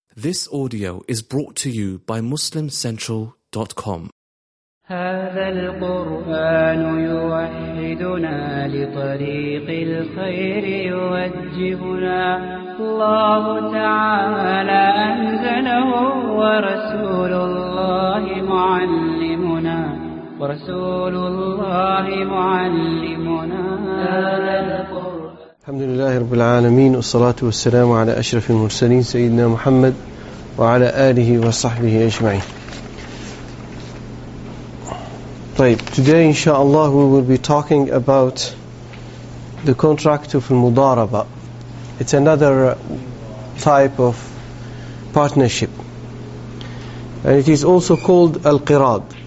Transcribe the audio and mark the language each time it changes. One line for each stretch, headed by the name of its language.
English: This audio is brought to you by MuslimCentral.com.
Arabic: هذا القرآن يوحدنا لطريق الخير يوجهنا الله تعالى أنزله ورسول الله معلمنا ورسول الله معلمنا هذا القرآن. الحمد لله رب العالمين والصلاة والسلام على أشرف المرسلين سيدنا محمد وعلى آله وصحبه أجمعين.
English: طيب, today inshallah we will be talking about the contract of المضاربة. It's another type of partnership, and it is also called القراض.